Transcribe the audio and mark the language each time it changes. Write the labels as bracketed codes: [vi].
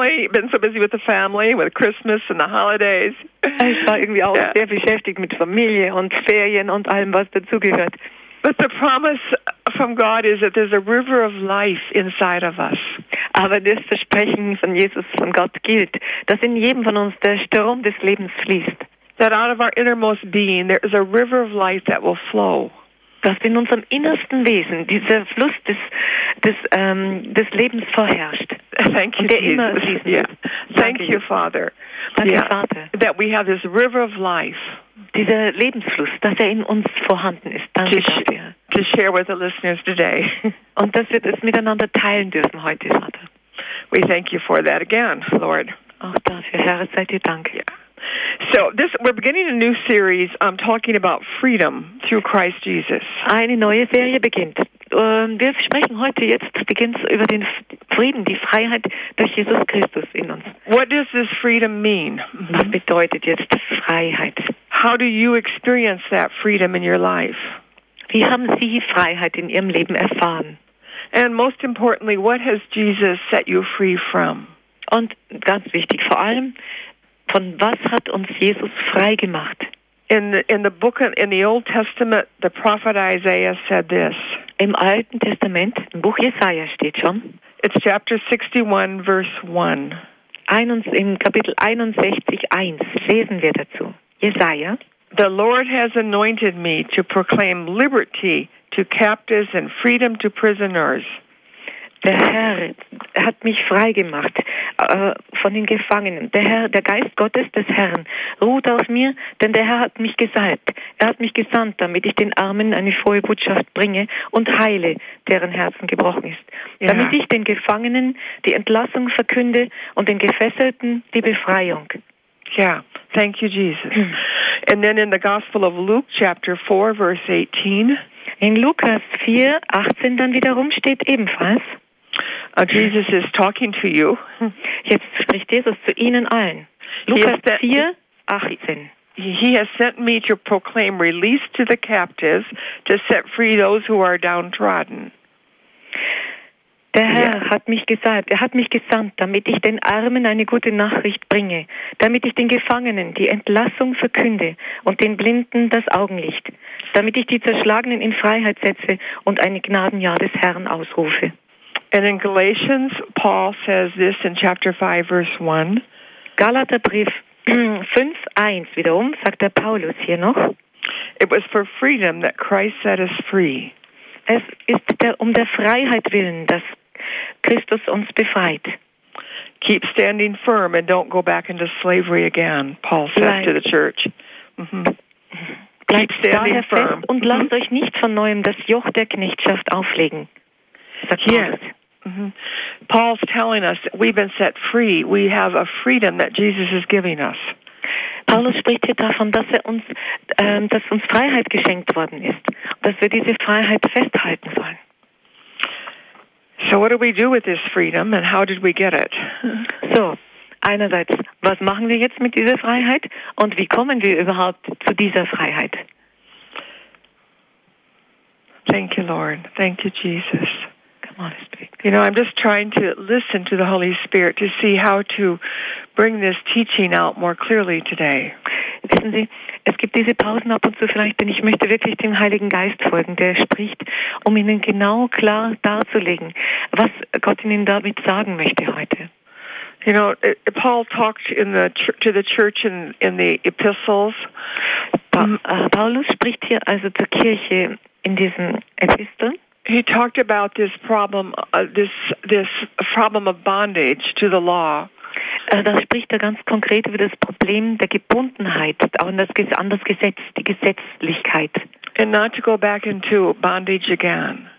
[en] Been so busy with the family, with Christmas and the holidays. [de] Ich war irgendwie auch yeah. sehr beschäftigt mit Familie und Ferien und allem, was dazugehört. [en] But the promise from God is that there's a river of life inside of us. [de] Aber das Versprechen von Jesus, von Gott gilt, dass in jedem von uns der Strom des Lebens fließt. [en] That out of our innermost being there is a river of life that will flow. [de] Dass in unserem innersten Wesen dieser Fluss des Lebens vorherrscht. [en] Thank you, [de] der [en] Jesus. [de] Immer fließt. [en] Yeah. Thank you, Father. [de] Danke, yeah. Vater. [en] That we have this river of life. [de] Dieser Lebensfluss, dass in uns vorhanden ist. Danke, [en] to share with the listeners today. [de] Und dass wir das miteinander teilen dürfen heute, Vater. [en] We thank you for that again, Lord. [de] Auch dafür, Herr, sei dir Dank. [en] Yeah. So this we're beginning a new series talking about freedom through Christ Jesus. [de] Eine neue Serie beginnt. Wir sprechen heute jetzt beginnt über den Frieden, die Freiheit durch Jesus Christus in uns. [en] What does this freedom mean? [de] Was bedeutet jetzt Freiheit? [en] How do you experience that freedom in your life? [de] Wie haben Sie Freiheit in Ihrem Leben erfahren? [en] And most importantly, what has Jesus set you free from? [de] Und ganz wichtig, vor allem, von was hat uns Jesus frei gemacht? [en] In the Old Testament, the prophet Isaiah said this. [de] Im Alten Testament, im Buch Jesaja steht schon. [en] It's chapter 61, verse 1. [de] Im Kapitel 61, 1 lesen wir dazu. Jesaja. [en] The Lord has anointed me to proclaim liberty to captives and freedom to prisoners. [de] Der Herr hat mich frei gemacht von den Gefangenen. Der Herr, der Geist Gottes des Herrn ruht auf mir, denn der Herr hat mich gesalbt. Er hat mich gesandt, damit ich den Armen eine frohe Botschaft bringe und heile, deren Herzen gebrochen ist. Yeah. Damit ich den Gefangenen die Entlassung verkünde und den Gefesselten die Befreiung. [en] Ja, yeah. Thank you, Jesus. And then in the Gospel of Luke, chapter 4, verse 18. [de] In Lukas 4, 18 dann wiederum steht ebenfalls. [en] Jesus is talking to you. [de] Jetzt spricht Jesus zu Ihnen allen. Lukas 4, 18. [en] He has sent me to proclaim release to the captives, to set free those who are downtrodden. [de] Der Herr hat mich gesalbt, er hat mich gesandt, damit ich den Armen eine gute Nachricht bringe, damit ich den Gefangenen die Entlassung verkünde und den Blinden das Augenlicht, damit ich die Zerschlagenen in Freiheit setze und ein Gnadenjahr des Herrn ausrufe. [en] And in Galatians, Paul says this in chapter 5, verse 1. [de] Galaterbrief 5, 1 wiederum, sagt der Paulus hier noch. [en] It was for freedom that Christ set us free. [de] Es ist um der Freiheit willen, dass Christus uns befreit. [en] Keep standing firm and don't go back into slavery again, Paul says to the church. [de] Mm-hmm. Bleibt [en] keep standing [de] daher [en] firm. [de] Fest und lasst euch nicht von neuem das Joch der Knechtschaft auflegen. Sagt yes. Paulus. Mm-hmm. [en] Paul's telling us that we've been set free. We have a freedom that Jesus is giving us. [de] Paulus spricht hier davon, dass uns Freiheit geschenkt worden ist, dass wir diese Freiheit festhalten sollen. [en] So what do we do with this freedom and how did we get it? [de] So, einerseits, was machen wir jetzt mit dieser Freiheit und wie kommen wir überhaupt zu dieser Freiheit? [en] Thank you, Lord. Thank you, Jesus. Come on, speak. You know, I'm just trying to listen to the Holy Spirit to see how to bring this teaching out more clearly today. [de] Wissen Sie, Es gibt diese Pausen ab und zu vielleicht, denn ich möchte wirklich dem Heiligen Geist folgen, der spricht, um Ihnen genau klar darzulegen, was Gott Ihnen damit sagen möchte heute. [en] You know, Paul talked to the church in the epistles. [de] Paulus spricht hier also zur Kirche in diesen Episteln. [en] He talked about this problem of bondage to the law. [de] Da spricht er ganz konkret über das Problem der Gebundenheit an das Gesetz, die Gesetzlichkeit. [en] And not to go back into bondage again.